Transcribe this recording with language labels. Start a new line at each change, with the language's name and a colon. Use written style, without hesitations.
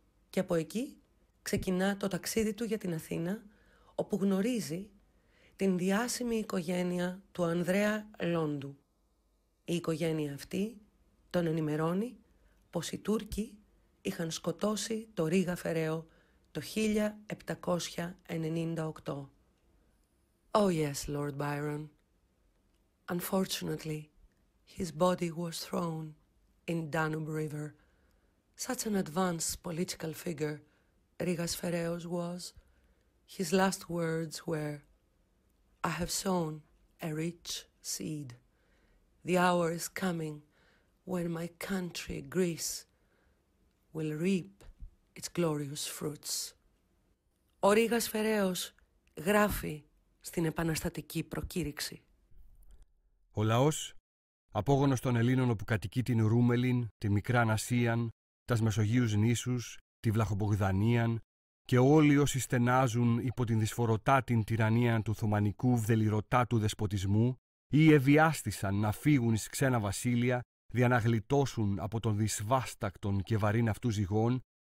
Greek: Και από εκεί ξεκινά το ταξίδι του για την Αθήνα, όπου γνωρίζει την διάσημη οικογένεια του Ανδρέα Λόντου. Η οικογένεια αυτή τον ενημερώνει πως οι Τούρκοι είχαν σκοτώσει το Ρίγα Φεραίο το 1798.
English: Oh yes, Lord Byron. Unfortunately, his body was thrown in Danube River. Such an advanced political figure, Rigas Phereos was. His last words were, I have sown a rich seed. The hour is coming when my country, Greece, will reap its glorious fruits.
Greek: Ο Rigas Phereos γράφει στην επαναστατική προκήρυξη. Ο λαός, απόγονος των Ελλήνων όπου κατοικεί την Ρούμελιν, τη Μικρά Ασίαν, τας Μεσογείους νήσους, τη Βλαχοπογδανίαν και όλοι όσοι στενάζουν υπό την δυσφοροτά την τυραννία του Οθωμανικού βδελιρωτά του δεσποτισμού ή εβιάστησαν να φύγουν εις ξένα βασίλεια δια να γλιτώσουν από τον δυσβάστακτον και βαρύν αυτού ζυγών,